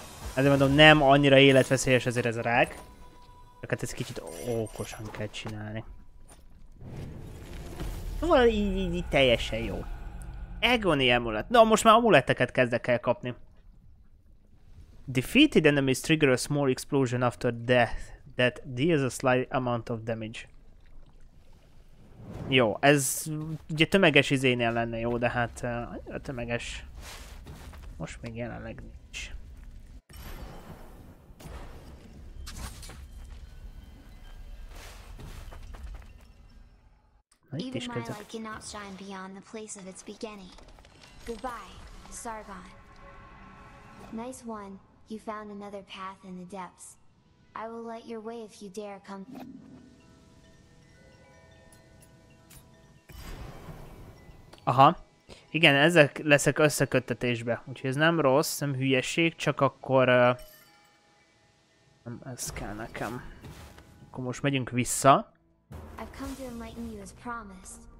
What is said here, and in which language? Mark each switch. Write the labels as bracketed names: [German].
[Hungarian] Ezért mondom, nem annyira életveszélyes ezért ez a rák. Csak hát ezt kicsit okosan kell csinálni. Szóval így teljesen jó. Agony amulet. Na, most már amuleteket kezdek el kapni. [English] Defeated enemies trigger a small explosion after death that deals a slight amount of damage. [Hungarian] Jó, ez ugye tömeges izénél lenne jó, de hát annyira tömeges. Most még jelenleg nincs. Itt is közök. [English] Even my light cannot shine beyond the place of its beginning. Goodbye, Sargon. Nice one. You found another path in the depths. I will light your way if you dare come. Aha. [Hungarian] Igen, ezek leszek összeköttetésbe. Úgyhogy ez nem rossz, nem hülyeség, csak akkor... Nem ez kell nekem. Akkor most megyünk vissza. [English] I've come to enlighten you as promised.